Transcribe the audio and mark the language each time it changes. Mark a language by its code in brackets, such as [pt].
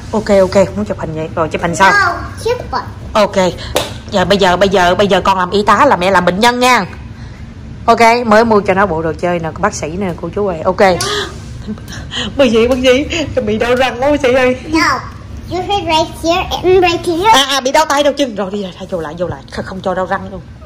[vi] Ok muốn chụp hình vậy, rồi chụp hình sao. Ok giờ bây giờ con làm y tá là mẹ làm bệnh nhân nha. Ok mới mua cho nó bộ đồ chơi nè, bác sĩ nè cô chú ơi. Ok bác sĩ bị đau răng quá bác sĩ ơi. [en] You hit right here and right here. [vi] À bị đau tay đâu chân. Rồi đi rồi, vô lại không cho đau răng luôn.